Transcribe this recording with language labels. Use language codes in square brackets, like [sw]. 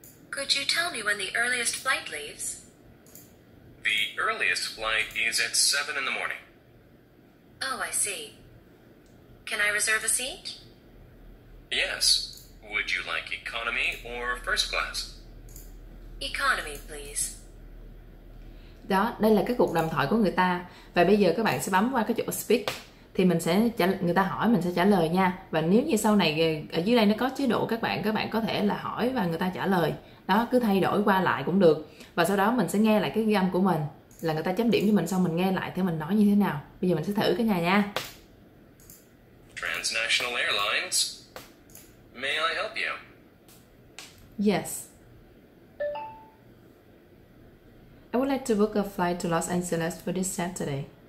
[en] Could you tell me when the earliest flight leaves? The earliest flight is at 7 in the morning. Oh, I see. Can I reserve a seat? Yes. Would you like economy or first class? Economy, please. [vi] Đó, đây là cái cuộc đàm thoại của người ta. Và bây giờ các bạn sẽ bấm qua cái chỗ speak, thì mình sẽ người ta hỏi mình sẽ trả lời nha. Và nếu như sau này ở dưới đây nó có chế độ các bạn có thể là hỏi và người ta trả lời. Đó, cứ thay đổi qua lại cũng được. Và sau đó mình sẽ nghe lại cái ghi âm của mình, là người ta chấm điểm cho mình xong mình nghe lại thì mình nói như thế nào. Bây giờ mình sẽ thử cái nhà nha. [en] International Airlines. May I help you? Yes. I would like to book a flight to Los Angeles for this Saturday.